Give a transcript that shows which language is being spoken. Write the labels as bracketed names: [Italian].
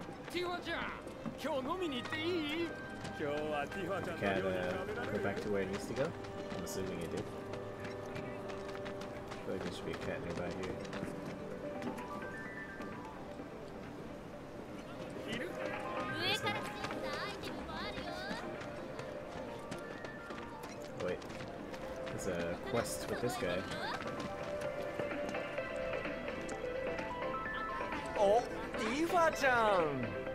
[Japanese] ティファちゃん、今日飲みに行っていい？今日はティファちゃんと [English] go back to where it needs to go. I'm assuming it did. But there should be a cat nearby here. [Japanese] 上から来たアイテムもあるよ。 [English] Wait, there's a quest with this guy. [Japanese] お、ティファちゃん。